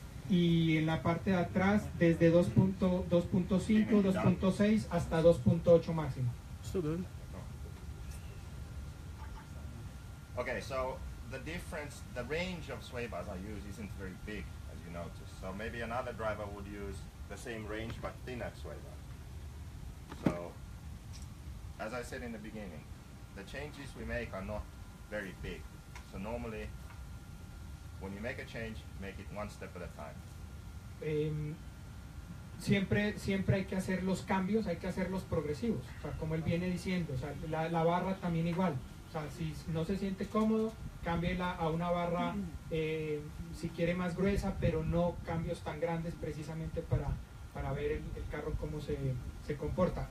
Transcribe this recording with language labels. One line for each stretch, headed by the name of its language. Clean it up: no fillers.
Spanish: Y en la parte de atrás, desde 2.5, 2.6, hasta 2.8 máximo.
English: Still good. Okay, so the difference, the range of sway bars I use isn't very big, as you notice. So maybe another driver would use the same range but thinner sway bar. So, as I said in the beginning, the changes we make are not very big. So normally, when you make a change, make it one step at a time.
Spanish: Siempre hay que hacer los cambios, hay que hacerlos progresivos. O sea, como él viene diciendo, o sea, la barra también igual. O sea, si no se siente cómodo, cámbiela a una barra, si quiere más gruesa, pero no cambios tan grandes precisamente para ver el carro cómo se comporta.